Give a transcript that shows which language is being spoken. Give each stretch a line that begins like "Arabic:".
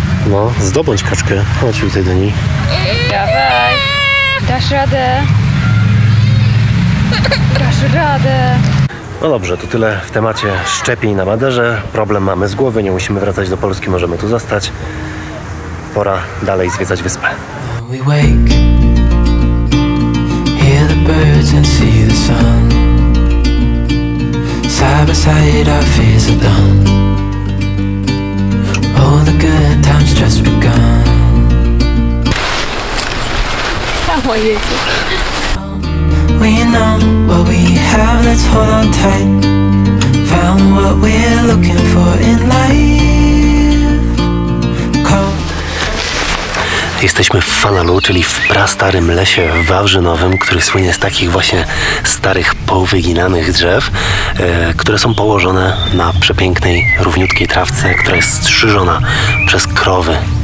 Polish: No, zdobądź kaczkę. Chodź tutaj do niej. Dawaj. Dasz radę. Dasz radę. No dobrze, to tyle w temacie szczepień na Maderze. Problem mamy z głowy, nie musimy wracać do Polski, możemy tu zostać. Pora dalej zwiedzać wyspę.
English: We wake, hear the birds and see the sun. Side by side our fears are done. All the good times just begun. We know what we have, let's hold on tight. Found what we're looking for in life. Call.
Polish: Jesteśmy w Fanalu, czyli w prastarym lesie w Wawrzynowym, który słynie z takich właśnie starych, powyginanych drzew, które są położone na przepięknej, równiutkiej trawce, która jest strzyżona przez krowy.